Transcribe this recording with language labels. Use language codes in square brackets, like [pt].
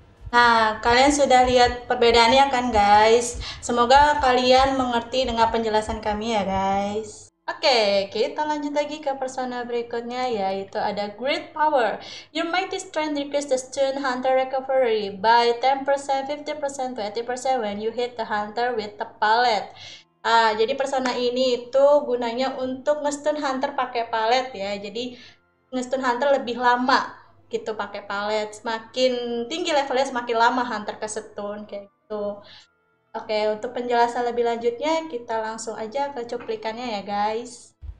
[id] Nah, kalian sudah lihat perbedaannya kan, guys? Semoga kalian mengerti dengan penjelasan kami ya, guys. Oke, kita lanjut lagi ke persona berikutnya, yaitu ada Great Power. [en] Your mighty strength decreases the stun hunter recovery by 10%, 50%, 20% when you hit the hunter with the pallet. [id] Jadi persona ini itu gunanya untuk nge-stun hunter pakai pallet ya. Jadi nge-stun hunter lebih lama gitu pakai palet, semakin tinggi levelnya semakin lama hunter ke stun kayak gitu. Oke, untuk penjelasan lebih lanjutnya kita langsung aja ke cuplikannya ya, guys.